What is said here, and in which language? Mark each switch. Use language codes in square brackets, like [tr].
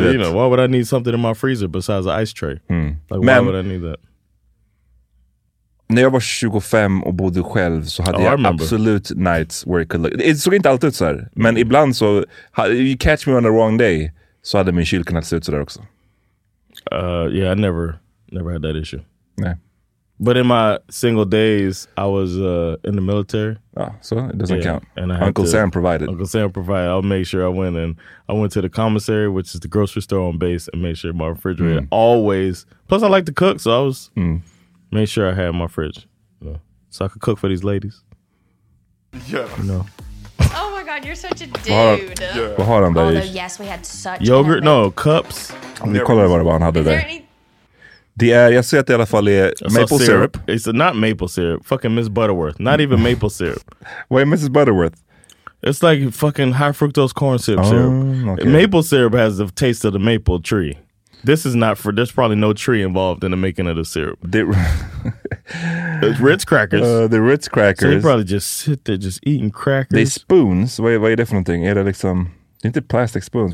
[en] you know, why would I need something in my freezer besides an ice tray? Mm. Like, why would I need that? [sv] När jag var 25 och bodde själv så hade jag absolut [en] nights where it could look. [sv] Det såg inte alltid ut så här. Men ibland så, [en] you catch me on the wrong day, [sv] så hade min kyl kunnat se ut så där också. [en] Yeah, I never had that issue. [sv] Nej. [en] But in my single days, I was in the military. Oh, so it doesn't count. And Uncle Sam provided. I'll make sure I went. And I went to the commissary, which is the grocery store on base, and made sure my refrigerator always. Plus, I like to cook, so I was made sure I had my fridge. You know, so I could cook for these ladies. Yeah. You know. Oh, my God, you're such a dude. But hold on, baby. Although, yes, we had such yogurt, no, cups. [sv] Vi kollar vad han hade där. Det är, jag ser att det i alla fall är maple syrup. [en] It's not maple syrup. Fucking Miss Butterworth. Not even maple syrup. Wait, Mrs. Butterworth? It's like fucking high fructose corn syrup. Okay. Maple syrup has the taste of the maple tree. This is not for, there's probably no tree involved in the making of the syrup. Ritz crackers. The Ritz crackers. So you probably just sit there just eating crackers. They spoons. [sv] Vad är det för någonting? Är det liksom, inte [en] plastic spoons.